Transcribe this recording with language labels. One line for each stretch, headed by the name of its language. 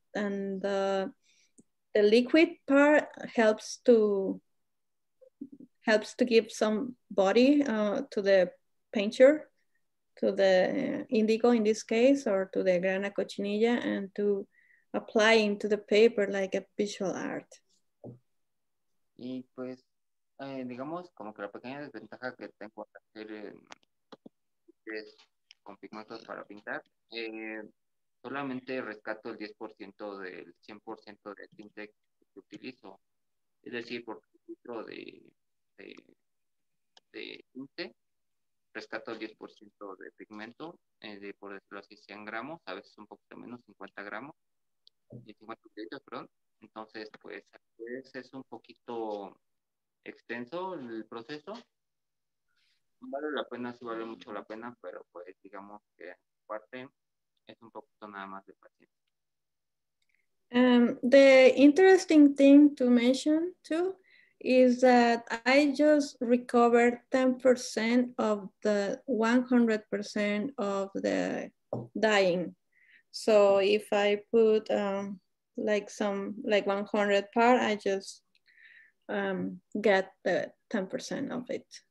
English: And the liquid part helps to give some body to the painter, to the indigo in this case, or to the grana cochinilla, and to apply into the paper like a visual art.
Spanish: Y pues, digamos, como que la pequeña desventaja que tengo que hacer es con pigmentos para pintar, solamente rescato el 10% del 100% de tinte que utilizo. Es decir, por filtro de tinte, rescato el 10% de pigmento, de por decirlo así, 100 gramos, a veces un poquito menos, 50 gramos, 50 litros, perdón. Entonces, pues, a veces es un poquito extenso el proceso. Vale la pena, sí vale mucho la pena, pero pues digamos que parte es un poquito nada más de paciencia.
English: The interesting thing to mention too is that I just recovered 10% of the 100% of the dyeing. So if I put like 100 part, I just get the 10% of it.